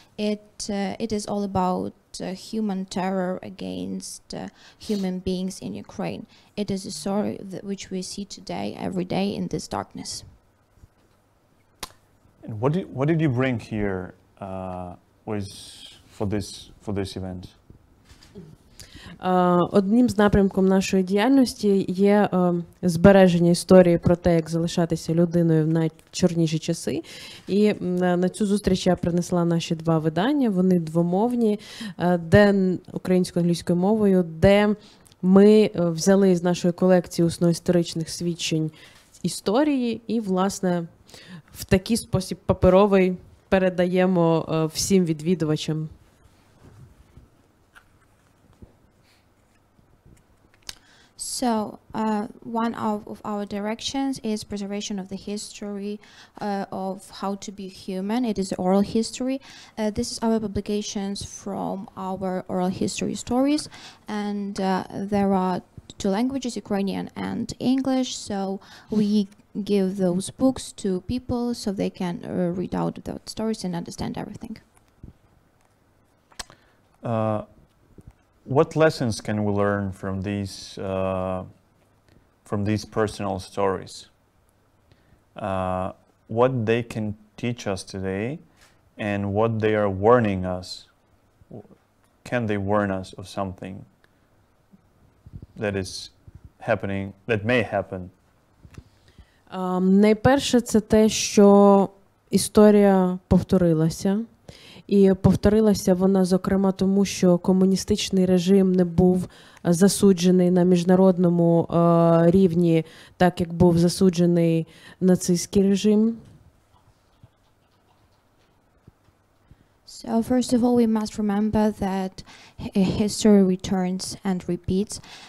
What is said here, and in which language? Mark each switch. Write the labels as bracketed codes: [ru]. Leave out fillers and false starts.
[en] It is all about human terror against human beings in Ukraine. It is a story that which we see today, every day, in this darkness. And what did you bring here for this event? [uk] Одним з напрямків нашої діяльності є збереження історії про те, як залишатися людиною в найчорніші часи. І на цю зустріч я принесла наші два видання, вони двомовні, де українсько-англійською мовою, де ми взяли з нашої колекції усноісторичних свідчень історії і, власне, в такий спосіб паперовий передаємо всім відвідувачам. [en] So one of our directions is preservation of the history of how to be human. It is oral history. This is our publications from our oral history stories. And there are two languages, Ukrainian and English. So we give those books to people so they can read out those stories and understand everything. What lessons can we learn from these personal stories? What they can teach us today, and what they are warning us? Can they warn us of something that is happening, that may happen? [uk] Найперше, це те, що історія повторилася. І повторилася вона, зокрема, тому, що комуністичний режим не був засуджений на міжнародному рівні, так як був засуджений нацистський режим. [en] So, first of all, we must remember that history returns and repeats.